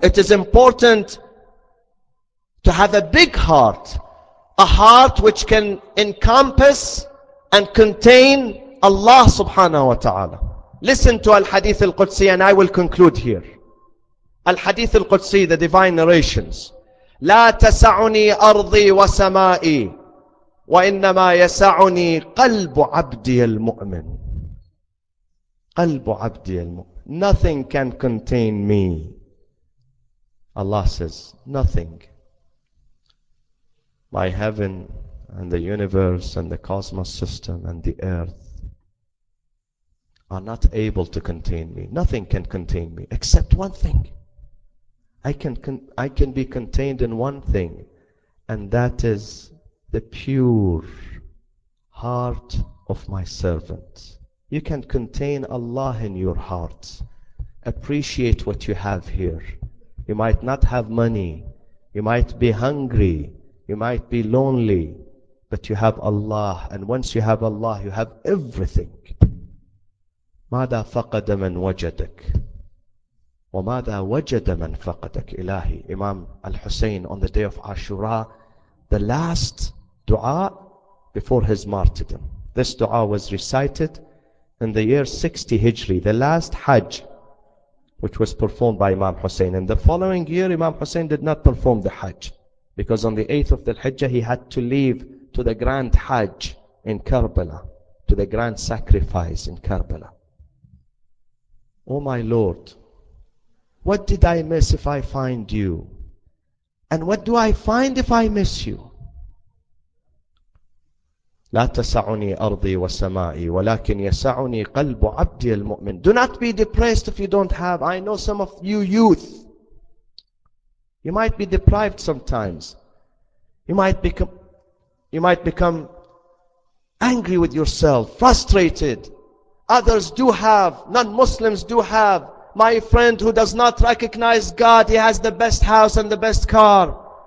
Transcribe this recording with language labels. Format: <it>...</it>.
<en>It is important to have a big heart. A heart which can encompass and contain Allah subhanahu wa ta'ala. Listen to Al-Hadith Al-Qudsi and I will conclude here. Al-Hadith Al-Qudsi, the divine narrations.</en> <ar>لا تسعني أرضي وسمائي وإنما يسعني قلب عبدي المؤمن. قلب عبدي المؤمن.</ar> <en>Nothing can contain me. Allah says, nothing. My heaven and the universe and the cosmos system and the earth are not able to contain me. Nothing can contain me except one thing. I can be contained in one thing, and that is the pure heart of my servant. You can contain Allah in your heart. Appreciate what you have here. You might not have money. You might be hungry. You might be lonely. But you have Allah. And once you have Allah, you have everything.</en> <ar>ماذا فقد من وجدك؟ وماذا وجد من فقدك؟ إلهي.</ar> <en>Imam Al-Hussein on the day of Ashura, the last dua before his martyrdom. This dua was recited in the year 60 Hijri, the last Hajj, which was performed by Imam Hussein. In the following year, Imam Hussein did not perform the Hajj, because on the 8th of the Hijjah, he had to leave to the grand Hajj in Karbala, to the grand sacrifice in Karbala. Oh my Lord, what did I miss if I find you? And what do I find if I miss you?</en> <ar>لا تسعني أرضي وسمائي ولكن يسعني قلب عبدي المؤمن.</ar> <en>Do not be depressed if you don't have. I know some of you youth. You might be deprived sometimes. You might become angry with yourself, frustrated. Others do have. Non-Muslims do have. My friend who does not recognize God, he has the best house and the best car.</en>